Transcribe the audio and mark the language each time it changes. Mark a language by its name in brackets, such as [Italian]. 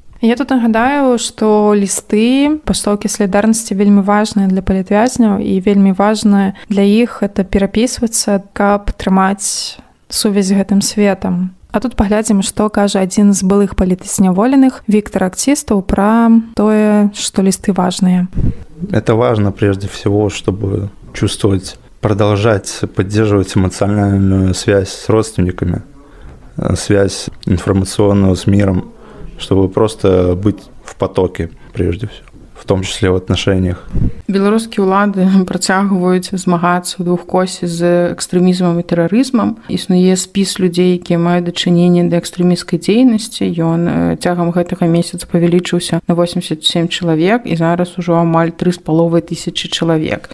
[Belarusian] Я тут нагадаю, што лісты, пастаўкі салідарнасці вельмі важныя для палітвязняў і вельмі важныя для іх гэта перапісвацца, каб трымаць сувязь з гэтым светам. А тут паглядзім, што кажа адзін з былых палітызняволеных, Віктар Акцістаў, пра тое, што лісты важныя. [Russian] Это важно, прежде всего, чтобы чувствовать, продолжать поддерживать эмоциональную связь с родственниками, связь информационную с миром, чтобы просто быть в потоке, прежде всего. В том числе в отношениях. [Belarusian] Беларускія ўлады працягваюць змагацца ў двухкосі з экстрэмізмам і тэрарызмам. Існуе спіс людзей, якія маюць дачыненне да экстрэмісцкай дзейнасці. Ён цягам гэтага месяца павялічыўся на 87 чалавек і зараз ужо амаль 3,5 тысячы чалавек.